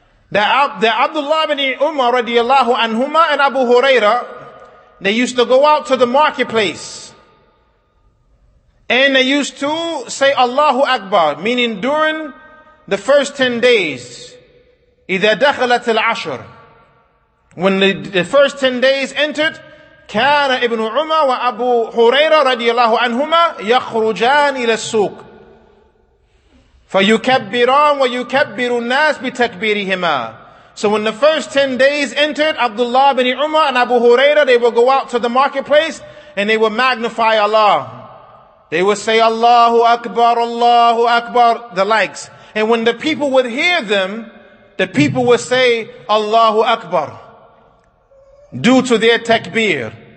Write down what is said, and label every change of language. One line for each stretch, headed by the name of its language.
English: The Abdullah ibn Umar radiallahu anhuma and Abu Huraira, they used to go out to the marketplace. And they used to say Allahu Akbar, meaning during the first 10 days,
Arabic: إِذَا دَخَلَتِ الْعَشْرِ.
English: When the first 10 days entered,
Arabic: كان ابن عمر وأبو هريرة رضي الله عنهما يخرجان إلى السوق فيكبران ويكبر الناس بتكبيرهما.
English: So when the first 10 days entered, Abdullah ibn Umar and Abu Huraira, they will go out to the marketplace and they will magnify Allah. They will say Allahu Akbar, Allahu Akbar, the likes. And when the people would hear them, the people would say Allahu Akbar due to their takbir.